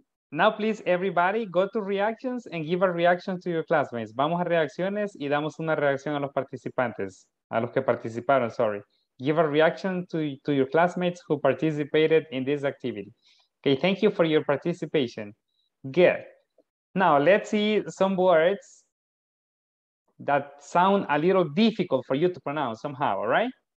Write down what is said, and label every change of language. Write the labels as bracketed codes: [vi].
[en] Now, please, everybody, go to reactions and give a reaction to your classmates. [es] Vamos a reacciones y damos una reacción a los participantes, a los que participaron, sorry. [en] Give a reaction to your classmates who participated in this activity. Okay, thank you for your participation. Good. Now, let's see some words that sound a little difficult for you to pronounce somehow, all right?